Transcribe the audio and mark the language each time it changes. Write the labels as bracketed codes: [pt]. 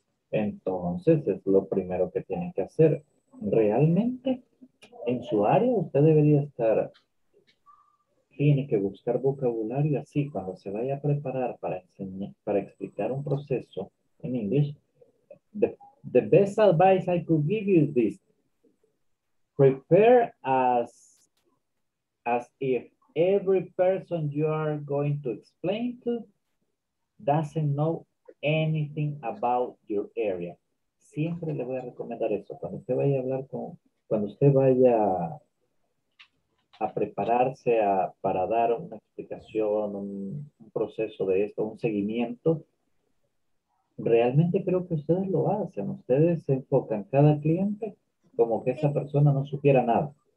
[es] Entonces es lo primero que tienen que hacer. Realmente en su área usted debería estar, tiene que buscar vocabulario así cuando se vaya a preparar para enseñar, para explicar un proceso en inglés. [en] The best advice I could give you is this. Prepare as if every person you are going to explain to doesn't know anything about your area. [es] Siempre le voy a recomendar eso. Cuando usted vaya a hablar con, cuando usted vaya a prepararse para dar una explicación, un proceso de esto, un seguimiento, realmente creo que ustedes lo hacen. Ustedes se enfocan cada cliente como que esa persona no supiera nada.